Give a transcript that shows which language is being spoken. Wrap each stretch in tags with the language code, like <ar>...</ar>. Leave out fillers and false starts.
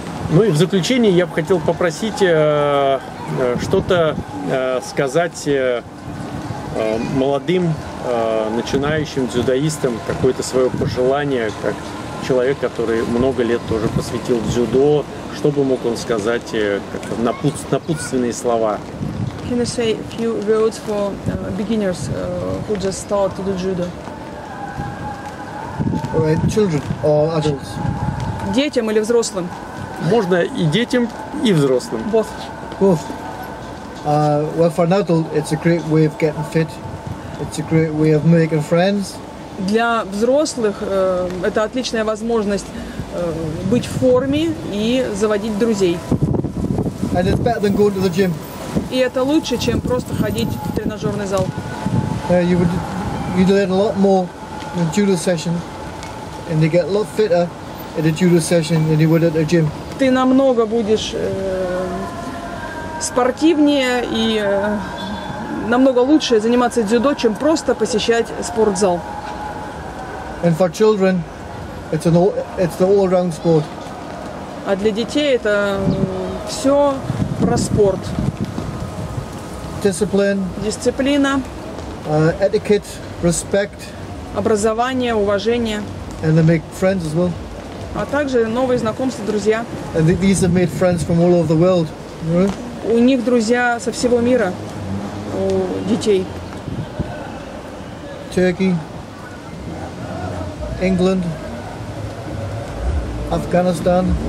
<ru>Ну и в заключение я бы хотел попросить что-то сказать молодым начинающим дзюдоистам, какое-то свое пожелание, как человек, который много лет тоже посвятил дзюдо, что бы мог он сказать, как напутственные слова.</ru> <en>Can you say a few words for beginners who just start to do judo? All right, children or adults?</en> <ru>Детям или взрослым? Можно и детям, и взрослым.</ru> <en>Both. Both. Well, for an adult, it's a great way of getting fit. It's a great way of making friends.</en> <ru>Для взрослых это отличная возможность быть в форме и заводить друзей.</ru> <en>And it's better than going to the gym.</en> <ru>И это лучше, чем просто ходить в тренажерный зал.</ru> <en>You learn a lot more in a judo session, and you get a lot fitter in a judo session than you would at the gym.</en> <ru>Ты намного будешь спортивнее и намного лучше заниматься дзюдо, чем просто посещать спортзал.</ru> <en>And for children, it's the all-round sport.</en> <ru>А для детей это все про спорт. Дисциплина,</ru> <en>Etiquette, respect,</en> <ru>образование, уважение,</ru> <en>and they make friends as well.</en> <ru>А также новые знакомства, друзья.</ru> <en>And these have made friends from all over the world.</en> <ru>У них друзья со всего мира, у детей.</ru> <en>Turkey, England, Afghanistan.</en>